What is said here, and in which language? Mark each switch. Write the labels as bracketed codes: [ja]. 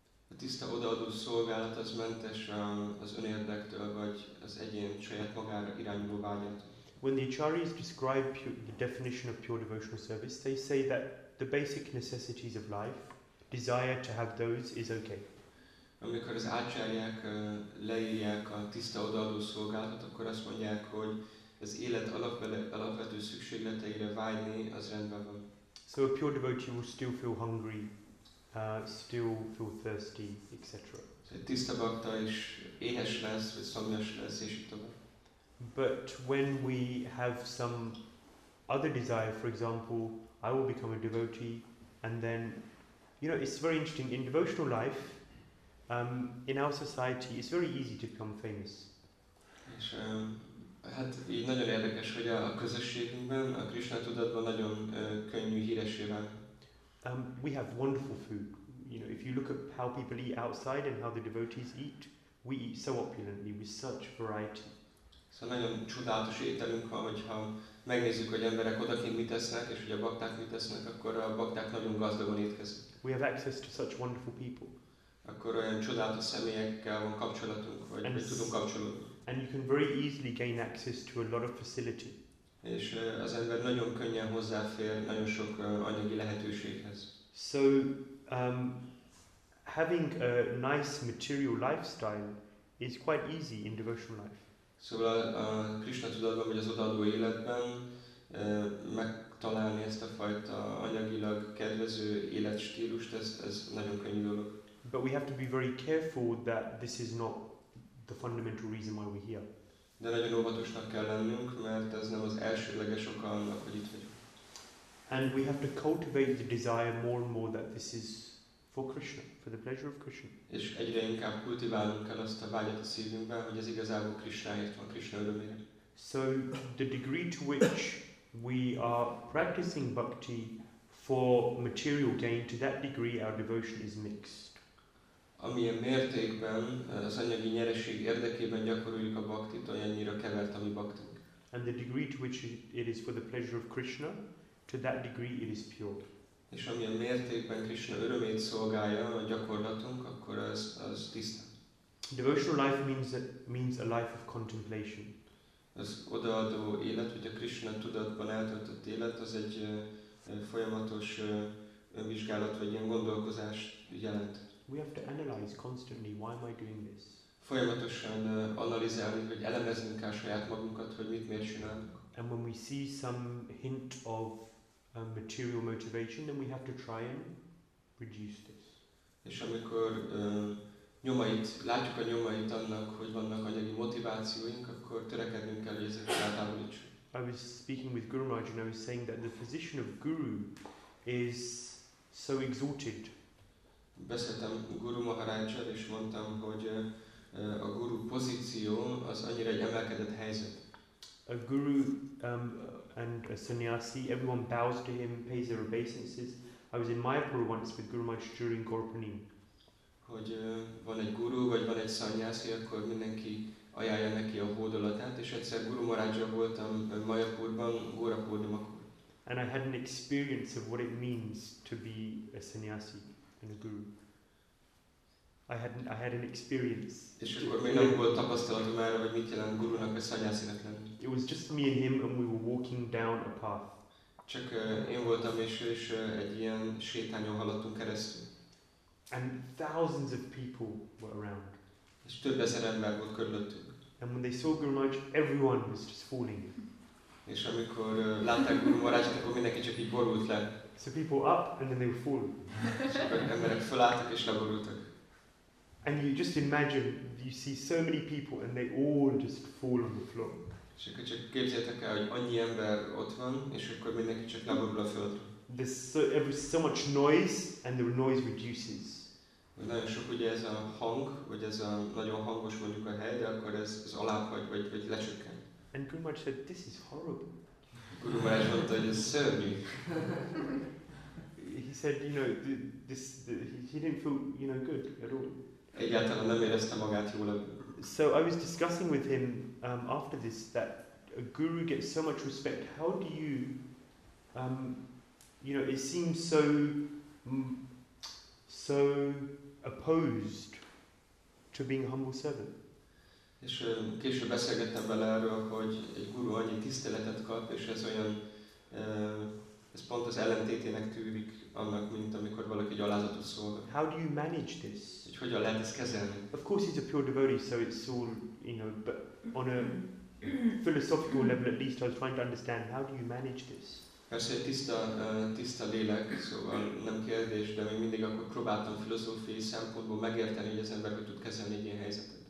[hu] A tiszta odaadó szolgálat az mentes az önérdektől, vagy az egyén saját magára irányuló vágyat. [en] When the acharyas describe the definition of pure devotional service, they say that the basic necessities of life, desire to have those, is okay. [hu] Amikor az acharyák leírják a tiszta odaadó szolgálatot, akkor azt mondják, hogy az élet alapvető szükségleteire vágyni, az rendben van. [en] So a pure devotee will still feel hungry, still feel thirsty, etc. [hu] A tiszta bhakta is éhes lesz, vagy szomjas lesz, és így tovább. [en] But when we have some other desire, for example, I will become a devotee, and then, you know, it's very interesting. In devotional life, in our society, it's very easy to become famous. [hu] És hát így nagyon érdekes, hogy a közösségünkben, a Krishna tudatban nagyon könnyű híresével. [en] We have wonderful food. You know, if you look at how people eat outside and how the devotees eat, we eat so opulently with such variety. [hu] Szóval nagyon csodálatos ételünk van, hogyha megnézzük, hogy emberek odakint mit esznek, és hogy a bakták mit esznek, akkor a bakták nagyon gazdagon étkeznek. [en] We have access to such wonderful people. [hu] Akkor olyan csodálatos személyekkel van kapcsolatunk, vagy mi tudunk kapcsolódni. [en] And you can very easily gain access to a lot of facility. [hu] És az ember nagyon könnyen hozzáfér nagyon sok anyagi lehetőséghez. [en] So, having a nice material lifestyle is quite easy in devotional life. [hu] Szóval a Krishna tudatban, vagy az odaadó életben megtalálni ezt a fajta anyagilag kedvező életstílust, ez nagyon könnyű dolog. [en] But we have to be very careful that this is not the fundamental reason why we're here. [hu] De nagyon óvatosnak kell lennünk, mert ez nem az elsődleges oka annak, hogy itt vagyunk. [en] And we have to cultivate the desire more and more that this is for Krishna, for the pleasure of Krishna. [hu] És egyre inkább kultiválnunk kell azt a vágyat a szívünkben, hogy ez igazából Krishnáért van, Krishna örömére. [en] So the degree to which we are practicing bhakti for material gain, to that degree our devotion is mixed. [hu] Amilyen mértékben az anyagi nyereség érdekében gyakoroljuk a bhaktit, olyannyira kevert a mi bhaktunk. [en] And the degree to which it is for the pleasure of Krishna, to that degree it is pure. [hu] És amilyen mértékben Krishna örömét szolgálja a gyakorlatunk, akkor az tiszta. [en] Devotional life means a life of contemplation. [hu] Az odaadó élet, vagy a Krishna tudatban eltöltött élet, az egy folyamatos önvizsgálat, vagy ilyen gondolkozás jelent. [en] We have to analyze constantly, why am I doing this? [hu] Folyamatosan analizálni, vagy elemezni kell saját magunkat, hogy mit miért csinálunk. [en] And when we see some hint of material motivation, then we have to try and reduce this. [hu] És amikor nyomait, látjuk a nyomait annak, hogy vannak anyagi motivációink, akkor törekednünk kell, hogy ezeket eltávolítsuk. [en] I was speaking with Guru Maharaj and I was saying that the position of Guru is so exalted. [hu] Beszéltem Guru Maharajjal és mondtam, hogy a Guru pozíció az annyira egy emelkedett helyzet. [en] A Guru and a sannyasi, everyone bows to him, pays their obeisances. I was in Mayapur once with Guru Maharaj during Gaurpanim. [hu] Hogy van egy guru, vagy van egy sannyasi, akkor mindenki ajánlja neki a hódolatát, és egyszer Guru Maharajjal voltam Mayapurban, Gaurapurnimakor. [en] And I had an experience of what it means to be a sannyasi and a guru. I had an experience. [hu] És akkor még nem volt tapasztalatom erre, hogy mit jelent gurunak vagy szanyászinak lenni. [en] It was just me and him, and we were walking down a path. [hu] Csak én voltam és egy ilyen sétányon haladtunk keresztül. [en] And thousands of people were around. [hu] És több ezer ember volt körülöttünk. [en] And when they saw Guru Maharaj, everyone was just falling. [hu] És amikor látták Guru Maharajt, akkor mindenki csak így borult le. [en] So people up, and then they were falling. [hu] És akkor emberek fölálltak és leborultak. [en] And you just imagine, you see so many people and they all just fall on the floor. [hu] És akkor csak képzeljétek el, hogy annyi ember ott van, és akkor mindenki csak leborul a földre. [en] There's so much noise and the noise reduces. [hu] hogy nagyon sok ugye ez a hang, vagy ez a nagyon hangos mondjuk a hely, de akkor ez az alábbhagy, vagy lecsökken. [en] And Guru Maharaj said, this is horrible. [hu] Guru Maharaj mondta, hogy ez szörnyű. [en] He said, you know, he didn't feel, you know, good at all. [hu] Egyáltalán nem érezte magát jól. [en] So I was discussing with him after this that a guru gets so much respect. How do you, you know, it seems so opposed to being a humble servant. [hu] És később beszélgettem vele erről, hogy egy guru annyi tiszteletet kap, és ez olyan, ez pont az ellentétének tűnik annak, mint amikor valaki egy alázatot szól. [en] How do you manage this? [hu] Hogy hogyan lehet ezt kezelni? [en] Of course he's a pure devotee, so it's all, you know, but on a philosophical level at least I was trying to understand, how do you manage this? [hu] Persze egy tiszta lélek, szóval nem kérdés, de még mindig akkor próbáltam filozófiai szempontból megérteni, hogy az ember hogy tud kezelni egy ilyen helyzetet.